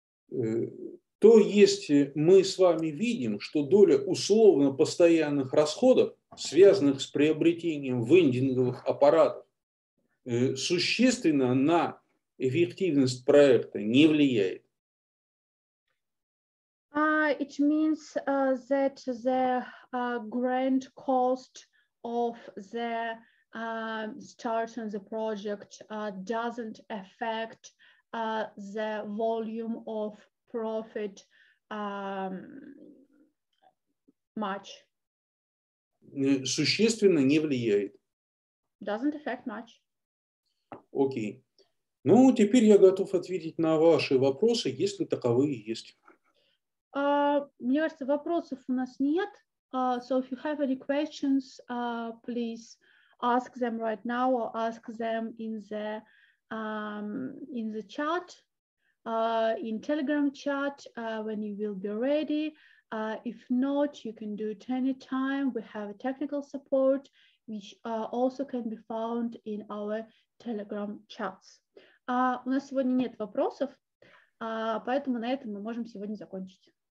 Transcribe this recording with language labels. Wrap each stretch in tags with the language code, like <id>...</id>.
<ru>То есть мы с вами видим, что доля условно постоянных расходов, связанных с приобретением вендинговых аппаратов, существенно на эффективность проекта не влияет.</ru> <en>It means that the grand cost of the start on the project doesn't affect the volume of profit much.</en> <ru>Существенно не влияет.</ru> <en>Doesn't affect much.</en> <ru>Окей. Ну, теперь я готов ответить на ваши вопросы, если таковые есть. Мне кажется, вопросов у нас нет.</ru> <en>So if you have any questions, please ask them right now or ask them in the chat, in Telegram chat, when you will be ready. If not, you can do it anytime. We have a technical support, which also can be found in our Telegram chats.</en> <ru>У нас сегодня нет вопросов, поэтому на этом мы можем сегодня закончить.</ru>